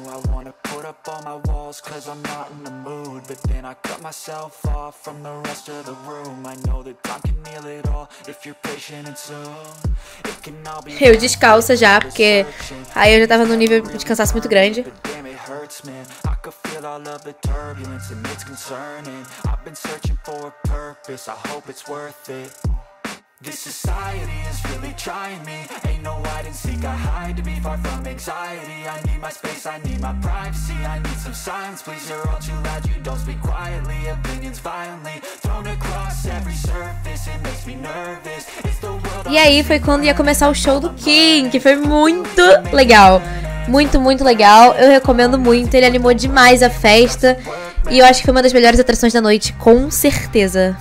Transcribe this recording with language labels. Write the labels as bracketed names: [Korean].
[English] I wanna put up all my walls, cause I'm not in the mood. But then I cut myself off from the rest of the room. I know that time can heal it all if you're patient and soon. It can all be. [Portuguese] Eu descalça já, porque aí eu já tava num nível de cansaço muito grande. [English] I could feel all of the turbulence and it's concerning. I've been searching for a purpose, I hope it's worth it. This society is really trying me. Ain't no hide and seek, I hide to be far from anxiety. I need my space, I need my privacy. I need some silence, please. You're all too loud, you don't speak quietly. Opinions violently thrown across every surface. It makes me nervous. It's the world. [Portuguese] E aí foi quando ia começar o show do King, que foi muito legal. Muito, muito legal. Eu recomendo muito. Ele animou demais a festa. E eu acho que foi uma das melhores atrações da noite, com certeza.